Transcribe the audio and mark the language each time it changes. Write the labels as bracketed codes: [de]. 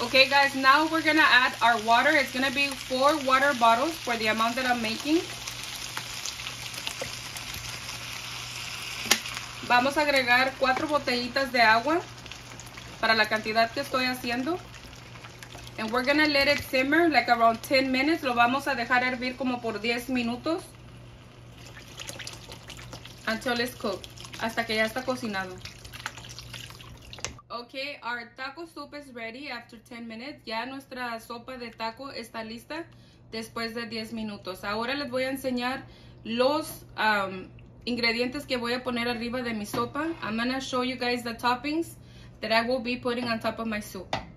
[en] Okay, guys, now we're gonna add our water. It's gonna be 4 water bottles for the amount that I'm making. [es] Vamos a agregar 4 botellitas de agua para la cantidad que estoy haciendo. [en] And we're gonna let it simmer like around 10 minutes. [es] Lo vamos a dejar hervir como por 10 minutos. [en] Until it's cooked. [es] Hasta que ya está cocinado. [en] Okay, our taco soup is ready after 10 minutes. [es] Ya nuestra sopa de taco está lista después de 10 minutos. Ahora les voy a enseñar los ingredientes que voy a poner arriba de mi sopa. [en] I'm gonna show you guys the toppings that I will be putting on top of my soup.